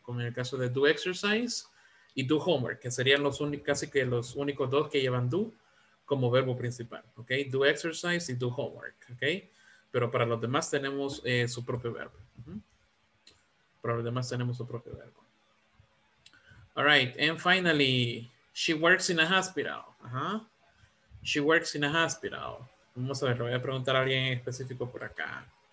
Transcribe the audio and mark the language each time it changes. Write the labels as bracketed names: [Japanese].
[Spanish] Como en el caso de [English] do exercise [Spanish] y [English] do homework, [Spanish] que serían casi que los únicos dos que llevan do como verbo principal, ¿ok? [English] Do exercise [Spanish] y [English] do homework, [Spanish] ¿ok? Pero para los demás tenemos su propio verbo. Uh-huh. Para los demás tenemos su propio verbo. [English] All right, and finally, she works in a hospital. She works in a hospital. [Spanish] Vamos a ver, voy a preguntar a alguien en específico por acá.